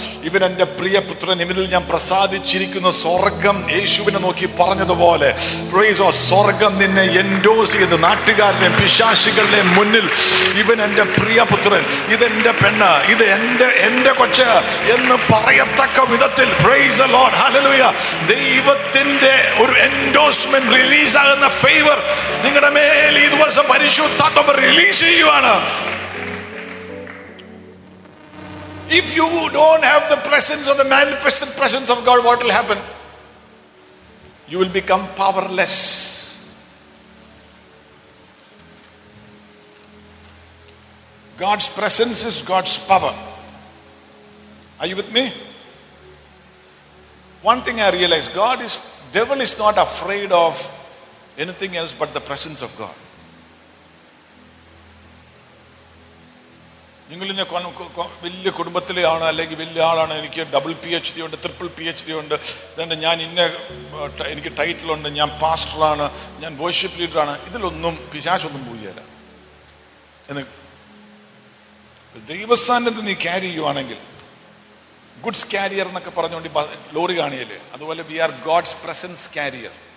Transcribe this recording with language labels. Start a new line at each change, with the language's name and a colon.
Malayalam: ഇവൻ എന്റെ പ്രിയപുത്രൻ, ഇവനിൽ ഞാൻ പ്രസാദിച്ചിരിക്കുന്ന സ്വർഗം യേശുവിനെ നോക്കി പറഞ്ഞതുപോലെ, പ്രൈസോ, സ്വർഗം നിന്നെ എൻഡോസ് ചെയ്ത് നാട്ടുകാരുടെ പിശാശികളുടെ മുന്നിൽ, ഇവൻ എന്റെ പ്രിയപുത്രൻ, ഇതെന്റെ പെണ്ണ്, ഇത് എന്റെ എന്റെ കൊച്ച് എന്ന് പറയത്തക്ക വിധത്തിൽ,
English: praise the Lord,
Malayalam: ഹല്ലേലൂയ, ദൈവത്തിന്റെ ഒരു എൻഡോസ്മെന്റ് റിലീസ് ആകുന്ന ഫേവർ നിങ്ങളുടെ മേൽ ഈ ദിവസം പരിശുദ്ധാത്മാവ് റിലീസ് ചെയ്യുകയാണ്.
English: If you don't have the presence or the manifested presence of God, what will happen? You will become powerless. God's presence is God's power. Are you with me? One thing I realize, devil is not afraid of anything else but the presence of God.
Malayalam: നിങ്ങളിനെ വലിയ കുടുംബത്തിലെയാണ്, അല്ലെങ്കിൽ വലിയ ആളാണ്, എനിക്ക് double P H D ഉണ്ട്, triple P H D ഉണ്ട്, ഇതുണ്ട്, ഞാൻ ഇന്ന എനിക്ക് ടൈറ്റിൽ ഉണ്ട്, ഞാൻ പാസ്റ്ററാണ്, ഞാൻ വേർഷിപ്പ് ലീഡറാണ്, ഇതിലൊന്നും പിശാചൊന്നും പോയല്ല എന്ന് ദൈവസ്ഥാനത്ത് നീ ക്യാരി ചെയ്യുവാണെങ്കിൽ, ഗുഡ്സ് ക്യാരിയർ എന്നൊക്കെ പറഞ്ഞുകൊണ്ട് ലോറി കാണിയല്ലേ, അതുപോലെ
English: We are God's presence carrier.